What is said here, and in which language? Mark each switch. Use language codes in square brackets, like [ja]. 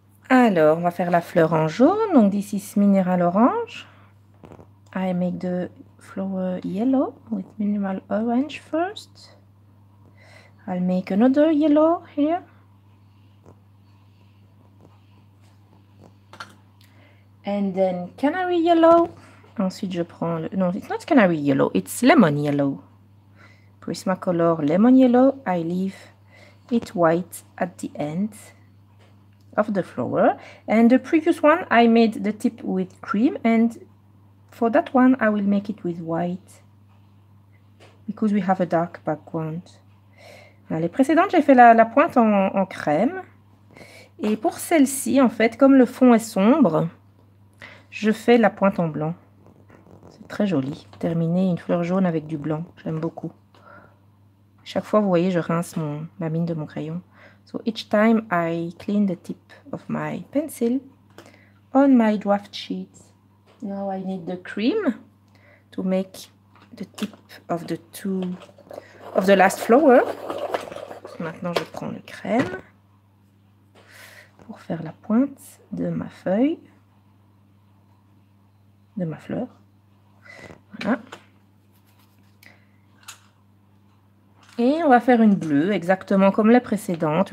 [fr] Alors, on va faire la fleur en jaune. [en] Donc, this is mineral orange. I make the flower yellow with minimal orange first. I'll make another yellow here. And then canary yellow. [fr] Ensuite, je prends le. [en] Non, it's not canary yellow, it's lemon yellow. Prismacolor lemon yellow. I leave it white at the end of the flower, and the previous one I made the tip with cream, and for that one I will make it with white because we have a dark background. [fr] Alors, les précédentes j'ai fait la pointe en crème, et pour celle-ci en fait comme le fond est sombre je fais la pointe en blanc. C'est très joli, terminer une fleur jaune avec du blanc, j'aime beaucoup. Chaque fois vous voyez je rince ma mine de mon crayon. [en] So each time I clean the tip of my pencil on my draft sheet. Now I need the cream to make the tip of the last flower. [fr] Maintenant, je prends le crème pour faire la pointe de ma feuille, de ma fleur. Voilà. Et on va faire une bleue, exactement comme la précédente.